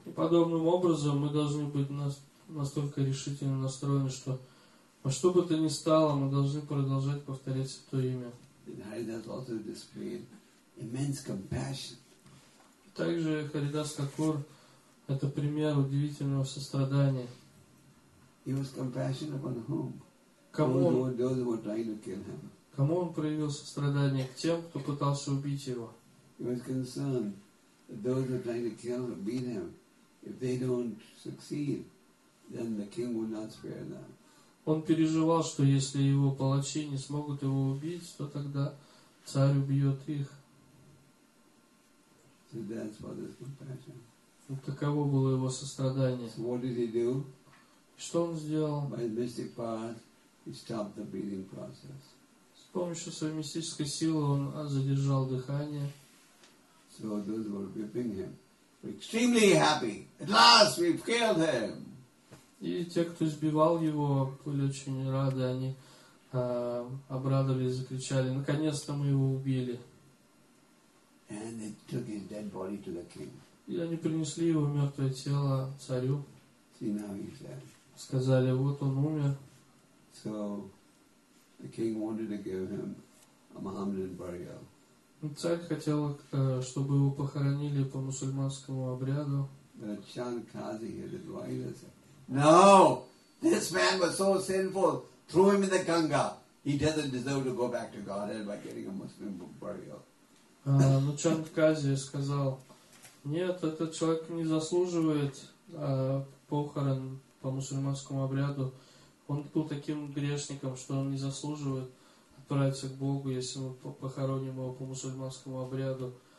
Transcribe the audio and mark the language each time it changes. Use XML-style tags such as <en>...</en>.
<ru>И подобным образом мы должны быть настолько решительно настроены, что а что бы то ни стало, мы должны продолжать повторять Святое Имя.</ru> <en>Харидаса also displayed immense compassion.</en> <ru>Также Харидас Такур — это пример удивительного сострадания.</ru> <en>He was compassionate upon whom?</en> <ru>Кому?</ru> <en>Those who were trying to kill him.</en> <ru>Кому он проявил сострадание? К тем, кто пытался убить его.</ru> <en>He was concerned that those who were trying to kill him, beat him, if they don't succeed, then the king would not spare them.</en> <ru>Он переживал, что если его палачи не смогут его убить, то тогда царь убьет их.</ru> <en>So that's what his compassion.</en> <ru>Вот таково было его сострадание.</ru> <en>So what did he do?</en> <ru>Что он сделал?</ru> <en>By his mystic power, he stopped the breathing process.</en> <ru>С помощью своей мистической силы он задержал дыхание.</ru> <en>So those were whipping him. We're extremely happy. At last we've killed him.</en> <ru>И те, кто избивал его, были очень рады, они обрадовались и закричали, наконец-то мы его убили.</ru> <en>And they took his dead body to the king.</en> <ru>И они принесли его мертвое тело царю.</ru> <en>See, now he's dead.</en> <ru>Сказали, вот он умер.</ru> <en>So the king wanted to give him a Mohammedan burial.</en> <ru>Царь хотел, чтобы его похоронили по мусульманскому обряду.</ru> <en>Shankazi, his advisor, said, no, this man was so sinful, threw him in the Ganga. He doesn't deserve to go back to Godhead by getting a Muslim burial.</en> <ru>Ну, Чанкази сказал, нет, этот человек не заслуживает похорон по мусульманскому обряду. Он был таким грешником, что он не заслуживает отправиться к Богу, если мы похороним его по мусульманскому обряду.</ru>